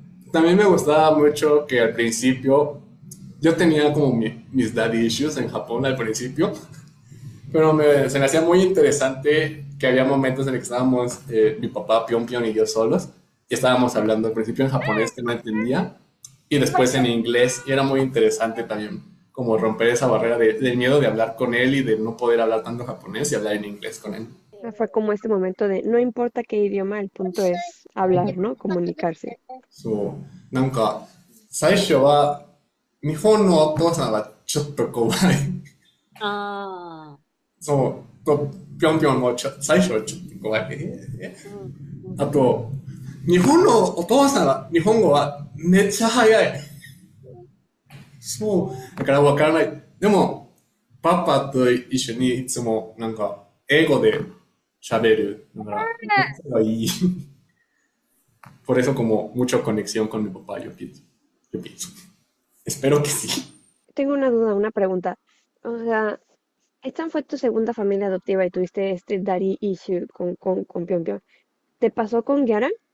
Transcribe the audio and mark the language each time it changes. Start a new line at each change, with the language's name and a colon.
Spanish: También me gustaba mucho que al principio yo tenía como mis daddy issues en Japón al principio, pero se me hacía muy interesante que había momentos en los que estábamos mi papá Pion Pion y yo solos y estábamos hablando al principio en japonés que no entendía y después en inglés y era muy interesante también. Como romper esa barrera del miedo de hablar con él y de no poder hablar tanto japonés y hablar en inglés con él. Fue como este momento de no importa qué idioma, el punto es hablar, ¿no? Comunicarse.
Japanese: So, なんか、最初は、日本のお父さんはちょっと怖い。そう、ぴょんぴょんも最初はちょっと怖い。あと、日本のお父さんは、日本語はめっちゃ早い。そう、だからわからない。でも、パパと一緒にいつもなんか英語で喋る。だから、どっちがいい？
Spanish: Por eso como mucha conexión con mi papá, yo pienso. Espero que sí. Tengo una duda, una pregunta. O sea, esta fue tu segunda familia adoptiva y tuviste este daddy issue con Pion Pion. ¿Te pasó con Guiaran?